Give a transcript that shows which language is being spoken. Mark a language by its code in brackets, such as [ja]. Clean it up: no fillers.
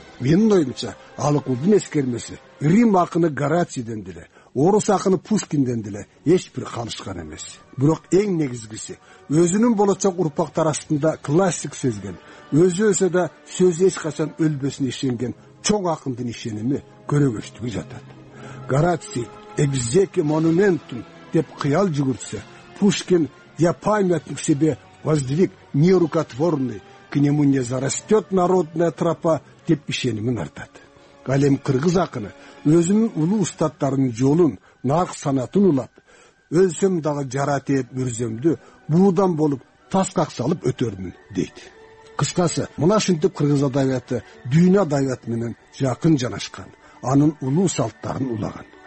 [ky] Менин оюмча Алыкулдун эскермеси Рим акыны Горацийден деле, орус акыны Пушкинден деле эч бир калышкан эмес. Бирок эң негизгиси өзүнүн болочок урпактар астында классик сезген, өзү өсө да сөзү эч качан өлбөсүнө ишенген чоң акындын ишеними көрөгөчтүгү жатат. Гораций [la] экзеки монументум [ky] деп кыял жүгүртсө, Пушкин [ru] я памятник себе воздвиг нерукотворный, к нему не зарастет народная тропа [ky] деп ишенимин артат. Ал эми кыргыз акыны өзүнүн улуу устаттарынын жолун, нак санатын улап, өлсөм дагы жарат ээт мүрзөмдү буудан болуп таскак салып өтөрмүн дейт. Кыскасы, мына ушинтип кыргыз адабияты дүйнө адабияты менен жакын жанашкан, анын улуу салттарын улаган.